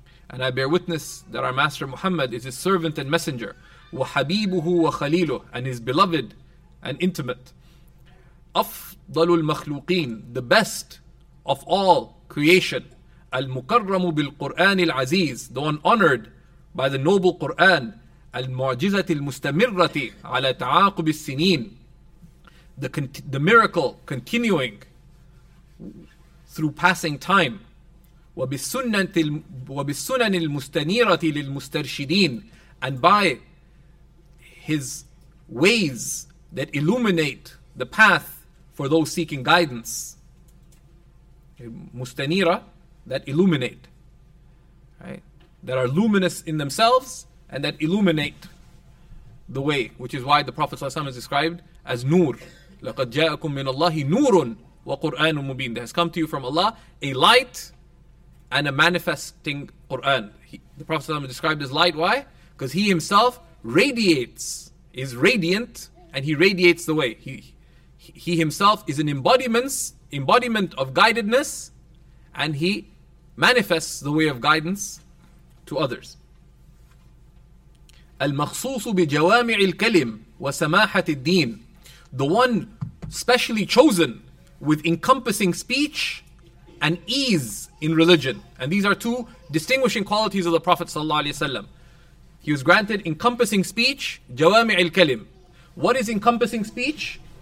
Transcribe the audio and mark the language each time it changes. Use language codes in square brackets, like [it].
[en] And I bear witness that our Master Muhammad is his servant and messenger. [ar] وَحَبِيبُهُ وَخَلِيلُهُ. [en] And his beloved and intimate. [ar] أَفْضَلُ الْمَخْلُوقِينَ. [en] The best of all creation. [ar] الْمُكَرَّمُ بِالْقُرْآنِ الْعَزِيزِ. [en] The one honored by the noble Qur'an, [ar] المعجزة المستمرة على تعاقب السنين. [en] The miracle continuing through passing time. [ar] وبالسنن المستنيرة للمسترشدين. [en] And by his ways that illuminate the path for those seeking guidance. مستنيرة, that illuminate. That are luminous in themselves and that illuminate the way, which is why the Prophet ﷺ is described as Nur. [ar] لَقَدْ جَاءَكُمْ مِنَ اللَّهِ نُورٌ وَقُرْآنٌ مُبِينٌ. [en] That has come to you from Allah, a light and a manifesting Qur'an. The Prophet ﷺ is described as light, why? Because he himself radiates, is radiant, and he radiates the way. He himself is an embodiment of guidedness, and he manifests the way of guidance to others. [ar] المخصوص بجوامع الكلم وسماحة الدين. [en] The one specially chosen with encompassing speech and ease in religion. And these are two distinguishing qualities of the Prophet ﷺ. He was granted encompassing speech, جوامع الكلم. What is encompassing speech?